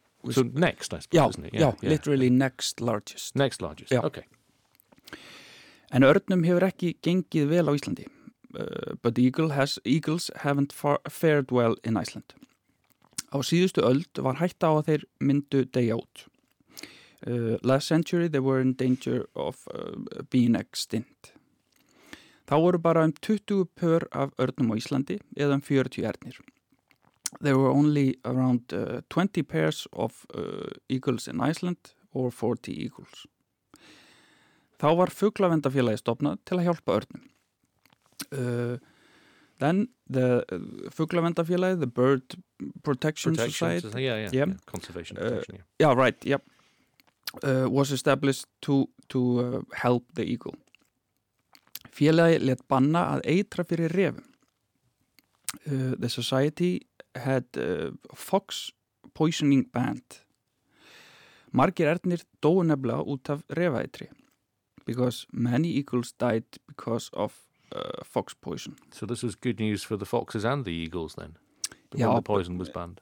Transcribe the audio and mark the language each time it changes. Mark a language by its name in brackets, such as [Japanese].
[English] So next, I suppose, isn't it? Yeah, literally next largest. Next largest, okay. [Icelandic] En örnum hefur ekki gengið vel á Íslandi. [English] But eagles haven't fared well in Iceland. [Icelandic] Á síðustu öld var hætta á að þeir myndu deyja út. [English] Last century they were in danger of being extinct. [Icelandic] Þá voru bara 20 pör af örnum á Íslandi eða 40 ernir. [English] There were only around 20 pairs of eagles in Iceland or 40 eagles. [Icelandic] Þá var fuglavendafélagi stofnað til að hjálpa örnum. [English] Then the fuglavendafélagi, the bird protection society, conservation protection. Yeah, right. Yep. Was established to help the eagle. [Icelandic] Félagi lét banna að eitra fyrir refum. [English] The society had fox poisoning banned. [Icelandic] Margir ernir dóu nefnilega út af refaeitri. [English] Because many eagles died because of fox poison. So this was good news for the foxes and the eagles then? When the poison was banned?